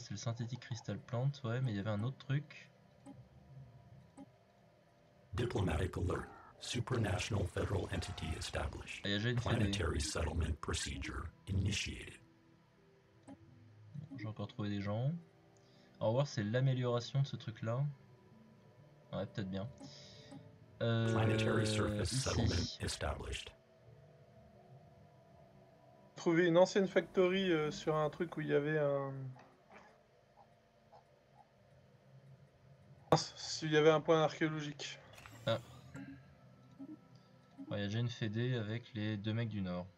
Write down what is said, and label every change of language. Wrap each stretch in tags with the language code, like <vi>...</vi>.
<fr>C'est le synthétique crystal plant, ouais, mais il y avait un autre truc.</fr> <en>Diplomatic alert. Supranational federal entity established.</en> <fr>Ah, y a déjà une</fr> <en>planetary settlement procedure initiated.</en> <fr>Bon, j'ai encore trouvé des gens. Au revoir, c'est l'amélioration de ce truc là. Ouais, peut-être bien.</fr> <en>Planetary surface settlement established.</en> <fr>trouvé une ancienne factory sur un truc où il y avait un... S'il y avait un point archéologique. Ah. Il y a déjà une fédé avec les deux mecs du Nord.</fr>